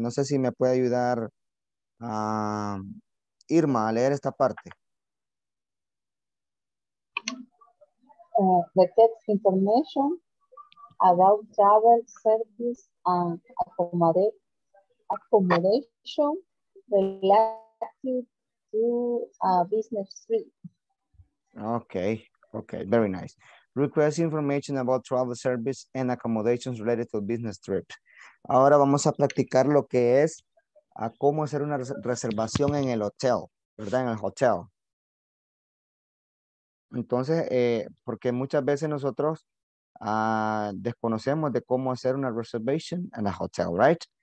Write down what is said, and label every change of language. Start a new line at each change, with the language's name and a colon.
Spanish: No sé si me puede ayudar Irma a leer esta parte.
English: The text information about travel service and accommodation related to a business trip. Okay, okay, very nice. Request information about travel service and accommodations related to business trips.
Spanish: Ahora vamos a practicar lo que es a cómo hacer una reservación en el hotel, ¿verdad? En el hotel. Entonces, porque muchas veces nosotros desconocemos de cómo hacer una reservation en el hotel, right?